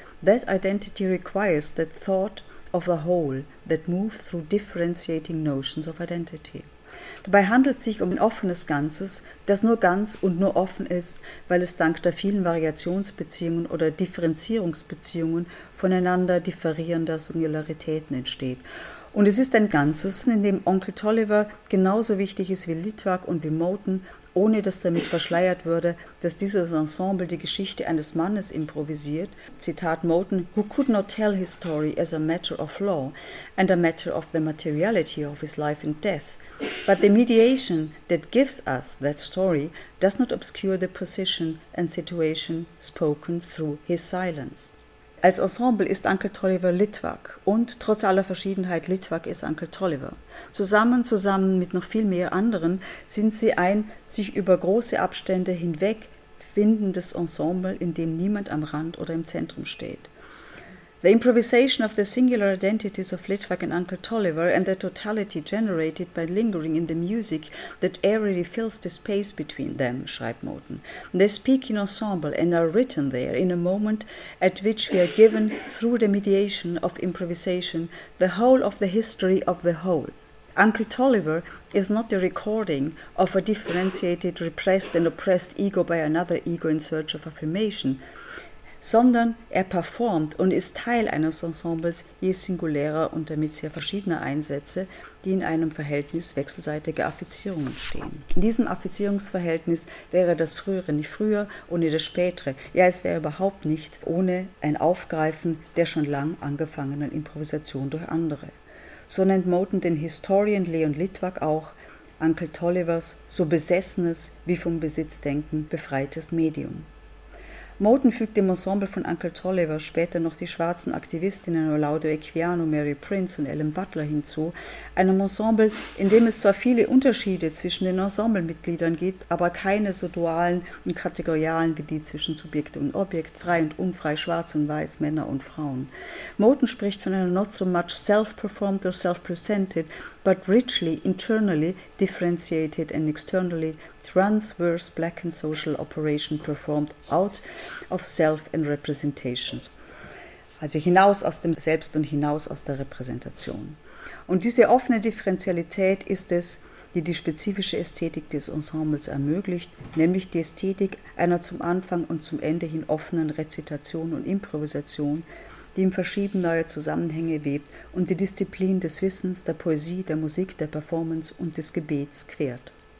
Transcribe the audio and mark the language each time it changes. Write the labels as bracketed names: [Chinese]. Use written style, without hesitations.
[English] That identity requires that thought of a whole that moves through differentiating notions of identity. [German] Dabei handelt es sich um ein offenes Ganzes, das nur ganz und nur offen ist, weil es dank der vielen Variationsbeziehungen oder Differenzierungsbeziehungen voneinander differierender Singularitäten entsteht. Und es ist ein Ganzes, in dem Onkel Tolliver genauso wichtig ist wie Littwack und wie Moton, ohne dass damit verschleiert würde, dass dieses Ensemble die Geschichte eines Mannes improvisiert. [English] Zitat Moton, who could not tell his story as a matter of law and a matter of the materiality of his life and death. But the mediation that gives us that story does not obscure the position and situation spoken through his silence. [German] Als Ensemble ist Uncle Tolliver Littwack und trotz aller Verschiedenheit Littwack ist Uncle Tolliver. Zusammen mit noch viel mehr anderen sind sie ein sich über große Abstände hinweg findendes Ensemble, in dem niemand am Rand oder im Zentrum steht. [English] The improvisation of the singular identities of Littwack and Uncle Tolliver and the totality generated by lingering in the music that airily fills the space between them, [German] schreibt Moton. [English] They speak in ensemble and are written there in a moment at which we are given, through the mediation of improvisation, the whole of the history of the whole. Uncle Tolliver is not the recording of a differentiated, repressed and oppressed ego by another ego in search of affirmation. [German] sondern er performt und ist Teil eines Ensembles je singulärer und damit sehr verschiedener Einsätze, die in einem Verhältnis wechselseitiger Affizierungen stehen. In diesem Affizierungsverhältnis wäre das Frühere nicht früher ohne das Spätere. Ja, es wäre überhaupt nicht ohne ein Aufgreifen der schon lang angefangenen Improvisation durch andere. So nennt Moten den Historian Leon Littwak auch Uncle Tollivers so besessenes wie vom Besitzdenken befreites Medium. Moten fügt dem Ensemble von Uncle Tolliver später noch die schwarzen Aktivistinnen Olaudo Equiano, Mary Prince und Ellen Butler hinzu, einem Ensemble, in dem es zwar viele Unterschiede zwischen den Ensemblemitgliedern gibt, aber keine so dualen und kategorialen wie die zwischen Subjekt und Objekt, frei und unfrei, schwarz und weiß, Männer und Frauen. Moten spricht von einer [English] not so much self-performed or self-presented, but richly, internally differentiated and externally transverse black and social operation performed out of self and representation. [German] Also hinaus aus dem Selbst und hinaus aus der Repräsentation. Und diese offene Differenzialität ist es, die die spezifische Ästhetik des Ensembles ermöglicht, nämlich die Ästhetik einer zum Anfang und zum Ende hin offenen Rezitation und Improvisation, die im Verschieben neuer Zusammenhänge webt und die Disziplin des Wissens, der Poesie, der Musik, der Performance und des Gebets quert.